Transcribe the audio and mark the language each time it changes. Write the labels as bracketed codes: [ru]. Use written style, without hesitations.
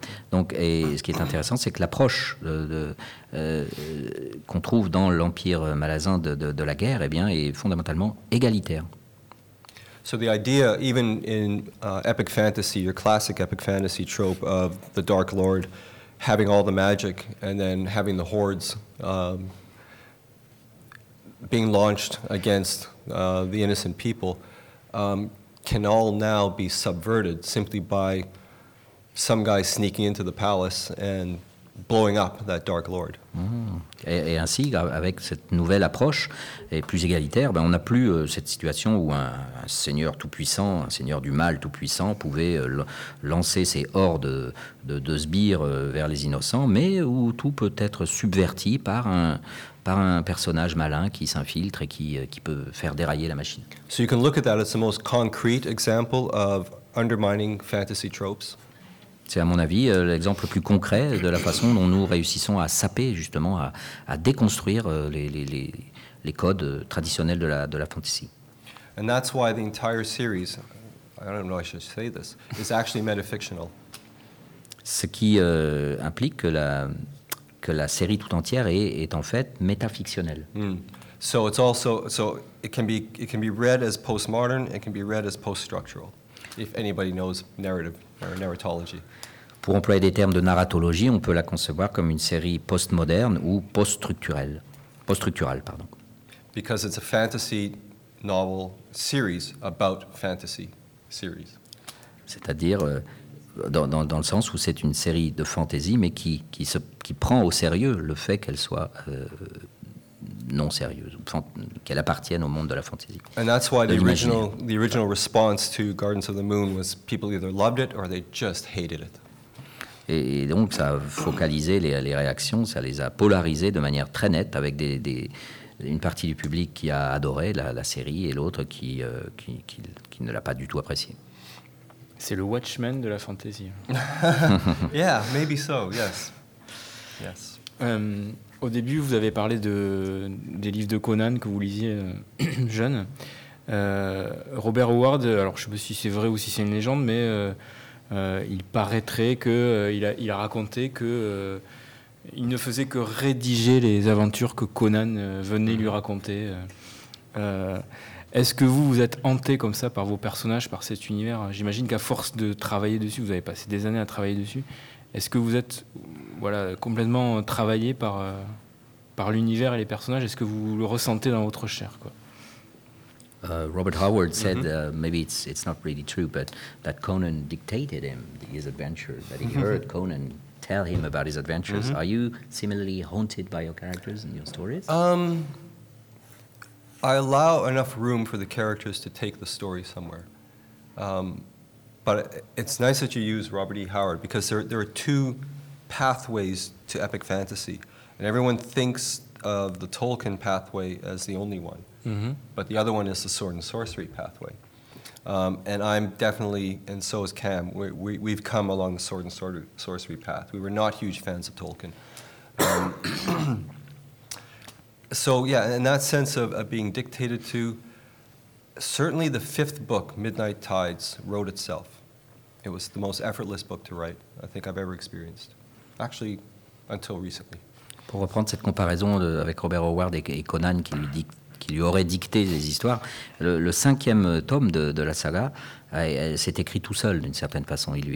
[fr] Donc, et ce qui est intéressant, c'est que l'approche qu'on trouve dans l'Empire Malazan de la guerre, eh bien, est fondamentalement égalitaire. [en] So the idea, even in epic fantasy, your classic epic fantasy trope of the Dark Lord having all the magic and then having the hordes being launched against the innocent people, can all now be subverted simply by some guy sneaking into the palace and blowing up that Dark Lord. [fr] Et ainsi, avec cette nouvelle approche et plus égalitaire, ben on n'a plus cette situation où un seigneur tout-puissant, un seigneur du mal tout-puissant, pouvait lancer ses hordes de sbires vers les innocents, mais où tout peut être subverti par un personnage malin qui s'infiltre et qui peut faire dérailler la machine. [en] So you can look at that as the most concrete example of undermining fantasy tropes. [fr] C'est à mon avis l'exemple plus concret de la façon dont nous réussissons à saper, justement, à déconstruire les codes traditionnels de la fantasy. [en] And that's why the entire series, I don't know if I should say this, is actually metafictional. [fr] Ce qui implique que la série tout entière est en fait métafictionnelle. [en] Mm. So it's also it can be read as postmodern, it can be read as poststructural, if anybody knows narrative or narratology. [fr] Pour employer des termes de narratologie, on peut la concevoir comme une série postmoderne ou poststructurale, pardon. [en] Because it's a fantasy novel series about fantasy series. [fr] C'est-à-dire dans le sens où c'est une série de fantasy, mais qui prend au sérieux le fait qu'elle soit non sérieuse, qu'elle appartienne au monde de la fantasy. [en] And that's why the original response to Gardens of the Moon was people either loved it or they just hated it. [fr] Et donc ça a focalisé les réactions, ça les a polarisées de manière très nette, avec une partie du public qui a adoré la série et l'autre qui ne l'a pas du tout appréciée. C'est le Watchmen de la fantasy. [en] Yeah, maybe so, yes. Yes. [fr] Au début, vous avez parlé des livres de Conan que vous lisiez jeune. Robert Howard, alors je ne sais pas si c'est vrai ou si c'est une légende, mais... il paraîtrait qu'il a raconté qu'il ne faisait que rédiger les aventures que Conan venait lui raconter. Est-ce que vous êtes hanté comme ça par vos personnages, par cet univers? J'imagine qu'à force de travailler dessus, vous avez passé des années à travailler dessus, est-ce que vous êtes complètement travaillé par l'univers et les personnages? Est-ce que vous le ressentez dans votre chair, quoi? [en] Robert Howard said, maybe it's not really true, but that Conan dictated him his adventures, that he heard Conan tell him about his adventures. Mm-hmm. Are you similarly haunted by your characters and your stories? I allow enough room for the characters to take the story somewhere. But it's nice that you use Robert E. Howard, because there are two pathways to epic fantasy, and everyone thinks of the Tolkien pathway as the only one. Mm-hmm. But the other one is the sword and sorcery pathway. And I'm definitely, and so is Cam, we've come along the sword and sorcery path. We were not huge fans of Tolkien. in that sense of being dictated to, certainly the fifth book, Midnight Tides, wrote itself. It was the most effortless book to write I think I've ever experienced. Actually, until recently. [fr] Pour reprendre cette comparaison avec Robert Howard et Conan qui lui aurait dicté les histoires. Le cinquième tome de la saga s'est écrit tout seul, d'une certaine façon.